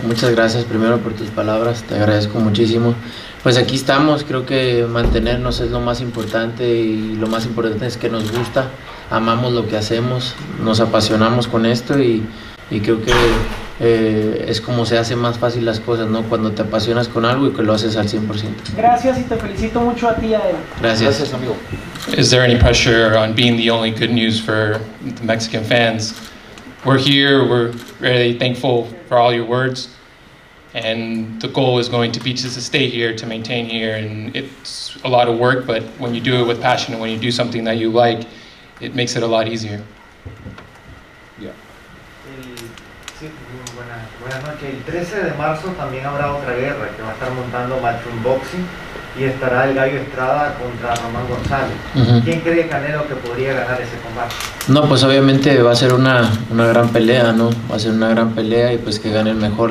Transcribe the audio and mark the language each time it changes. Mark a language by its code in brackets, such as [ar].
[es] Muchas gracias primero por tus palabras, te agradezco muchísimo. Pues aquí estamos, creo que mantenernos es lo más importante, y lo más importante es que nos gusta, amamos lo que hacemos, nos apasionamos con esto, y creo que es como se hacen más fácil las cosas, ¿no? Cuando te apasionas con algo y que lo haces al 100%. Gracias y te felicito mucho a ti, Adela. Gracias. Gracias, amigo. [en] Is there any pressure on being the only good news for the Mexican fans? We're here, we're really thankful for all your words, and the goal is going to be just to stay here, to maintain here, and it's a lot of work, but when you do it with passion and when you do something that you like, it makes it a lot easier. [es] Buenas noches. El 13 de marzo también habrá otra guerra, que va a estar montando Matchroom Boxing y estará el Gallo Estrada contra Román González. Uh-huh. ¿Quién cree, Canelo, que podría ganar ese combate? No, pues obviamente va a ser una gran pelea, ¿no? Va a ser una gran pelea y pues que gane el mejor.